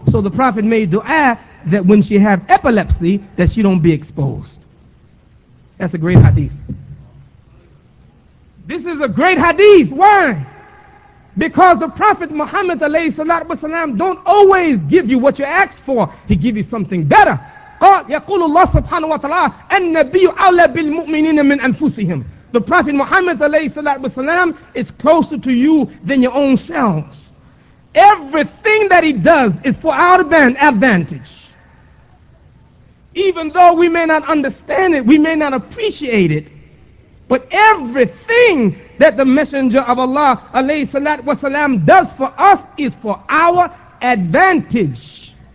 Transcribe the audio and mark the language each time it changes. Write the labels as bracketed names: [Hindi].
[English] So the Prophet made dua that when she have epilepsy, that she don't be exposed. That's a great hadith. This is a great hadith. Why? Because the Prophet Muhammad alayhi salatu wasalam don't always give you what you ask for. He give you something better. [Arabic] قال يقول الله سبحانه وتعالى النبي أولى بالمؤمنين من أنفسهم. [English] The Prophet Muhammad alayhi salatu wasalam is closer to you than your own selves. Everything that he does is for our advantage. even though we may not understand it, we may not appreciate it, but everything that the Messenger of Allah, alayhi salat wa salam, does for us is for our advantage.